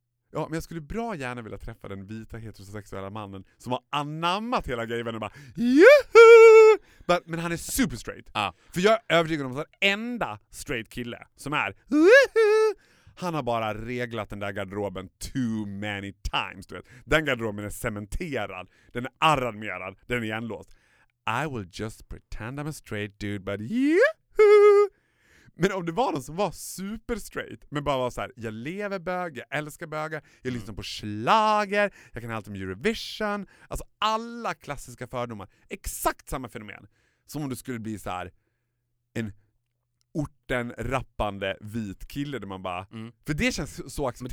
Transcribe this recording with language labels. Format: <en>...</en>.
<sv>Ja, men jag skulle bra gärna vilja träffa den vita heterosexuella mannen som har anammat hela grejen och bara, juhu! Men han är super straight. Ah. För jag är övertygad om att enda straight kille som är, han har bara reglat den där garderoben</sv> <en>too many times.</en> <sv>Du vet. Den garderoben är cementerad, den är arranmerad, den är igenlåst.</sv> <en>I will just pretend I'm a straight dude, but juhu!</en> <sv>Men om det var någon som var super straight, men bara var så här, jag lever bög, jag älskar bög, jag lyssnar på schlager, jag kan allt om Eurovision, alltså alla klassiska fördomar, exakt samma fenomen som om du skulle bli så här en orten rappande vit kille där man bara för det känns så accepterat.</sv>